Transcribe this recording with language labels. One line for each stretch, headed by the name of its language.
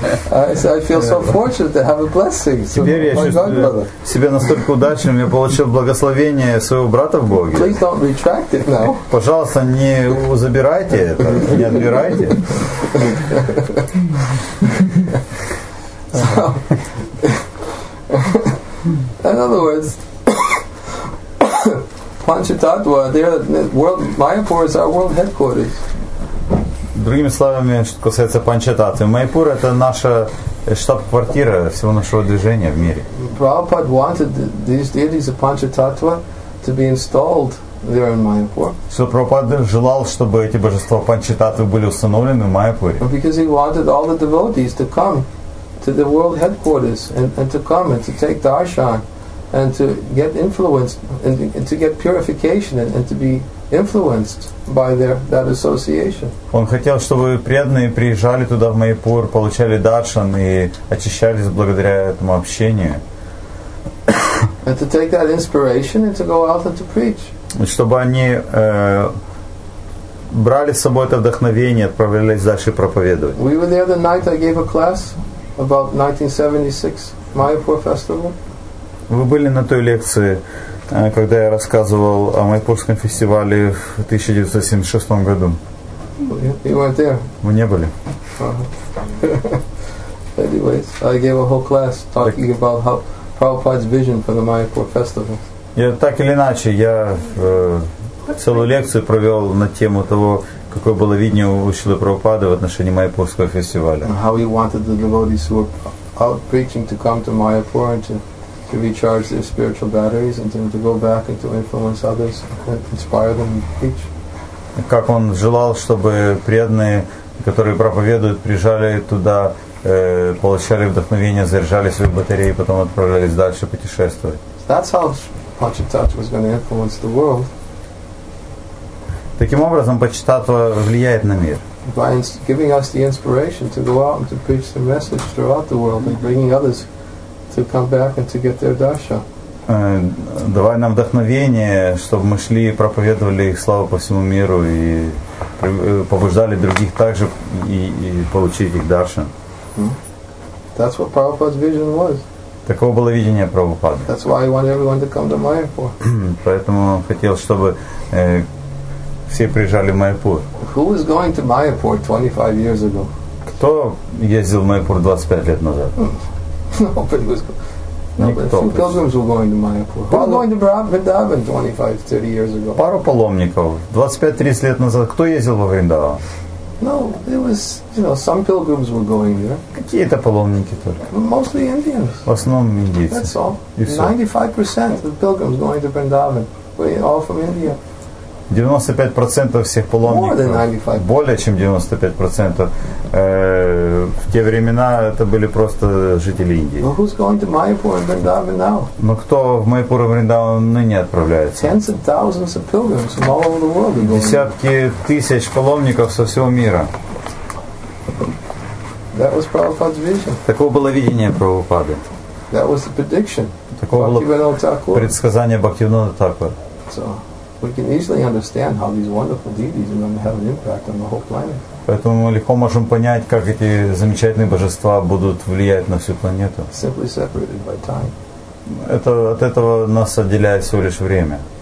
English: I feel so fortunate to have a blessing.
Russian: Теперь я чувствую себя настолько удачным, я получил благословение своего брата в Боге.
English: Please don't retract it now.
Russian: Пожалуйста, не забирайте это, не отбирайте.
English: So, in other words, Panchatattva, Mayapur is our world headquarters.
Russian: Другими словами, что касается Панчататвы, Майпур — это наша штаб-квартира всего нашего движения в мире.
English: Prabhupada wanted these deities of Panchatattva to be installed there in Mayapur.
Russian: Что Прабхупада желал, чтобы эти божества Панчататвы были установлены в Майпуре.
English: Because he wanted all the devotees to come to the world headquarters and to come and to take darshan and to get influenced and to get purification and to be influenced by their that association.
Russian: Он хотел, чтобы преданные приезжали туда в Майпур, получали даршан и очищались благодаря этому общению.
English: And to take that inspiration and to go out and to preach.
Russian: Чтобы они брали с собой это вдохновение, отправлялись дальше проповедовать.
English: We were there the night I gave a class about 1976 Mayapur festival.
Russian: Вы были на той лекции, когда я рассказывал о Майпурском фестивале в 1976 году.
English: You
Russian: Вы не были.
English: Anyways, I gave a whole class talking about how Prabhupada's vision for the Mayapur festival.
Russian: Я так или иначе, я целую лекцию провел на тему того, какое было видение у Шилы Прабхупады в отношении Майпурского фестиваля.
English: And how he wanted the devotees who were out preaching to come to Mayapur and to recharge their spiritual batteries and to go back and to influence others and inspire them to preach.
Russian: Как он желал, чтобы преданные, которые проповедуют, приезжали туда, получали вдохновение, заряжали свои батареи и потом отправлялись дальше путешествовать.
English: So that's how Panchatattva was going to influence the world.
Russian: Таким образом, Панчататва влияет на мир.
English: By giving us the inspiration to go out and to preach the message throughout the world and bringing others to come back and to get their darshan.
Russian: Давай нам вдохновение, чтобы мы шли и проповедовали их славу по всему миру и побуждали других также и получить их даршан.
English: That's what Prabhupada's vision was.
Russian: Таково было видение Прабхупады.
English: That's why he wanted everyone to come to Mayapur.
Russian: Поэтому он хотел, чтобы все приезжали в Майпур.
English: Who was going to Mayapur 25 years ago?
Russian: Кто ездил в Майпур 25 лет назад?
English: Nobody was going. Nobody. Few pilgrims were going to Mayapur. Who was going to Vrindavan 25-30 years ago?
Russian: Пару паломников. 25-30 лет назад. Кто ездил во Вриндаван?
English: No, it was, you know, some pilgrims were going there.
Russian: Какие-то паломники только?
English: Mostly Indians.
Russian: В основном индийцы.
English: That's all. 95% of the pilgrims going to Vrindavan were all from India.
Russian: 95% всех паломников, более чем 95%, в те времена это были просто жители Индии.
English: Well, who's going to Mayapur and Vrindavan now?
Russian: Но кто в Майпур и Вриндаван ныне отправляется?
English: Tens of thousands of pilgrims from all over the world.
Russian: Десятки тысяч паломников со всего мира.
English: That was Prabhupada's vision.
Russian: Такое было видение Прабхупады.
English: That was the prediction.
Russian: Такое было предсказание Бхактивинода Тхакура.
English: We can easily understand how these wonderful deities are going to have an impact on the whole planet.
Russian: Поэтому мы легко можем понять, как эти замечательные божества будут влиять на всю планету.
English: Simply separated by time.
Russian: Это от этого нас отделяет всего лишь время.